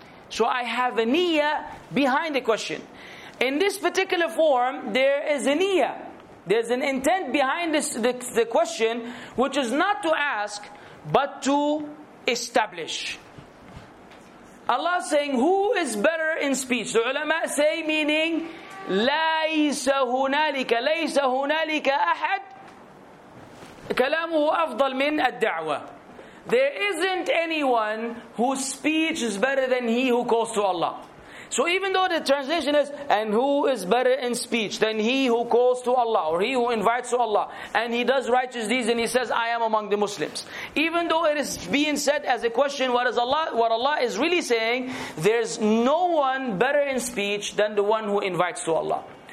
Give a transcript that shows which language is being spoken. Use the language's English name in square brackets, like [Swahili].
[English] So I have a niyyah behind the question. In this particular form, there is a niyyah. There's an intent behind this, the question, which is not to ask, but to establish. Allah is saying, who is better in speech? The ulama say, meaning, [Arabic] لَيْسَ هُنَالِكَ لَيْسَ هُنَالِكَ أَحَدْ كَلَامُهُ أَفْضَلْ مِنْ الدَّعْوَةِ. [English] There isn't anyone whose speech is better than he who calls to Allah. So even though the translation is, and who is better in speech than he who calls to Allah, or he who invites to Allah, and he does righteous deeds and he says, I am among the Muslims. Even though it is being said as a question, what Allah is really saying, there's no one better in speech than the one who invites to Allah.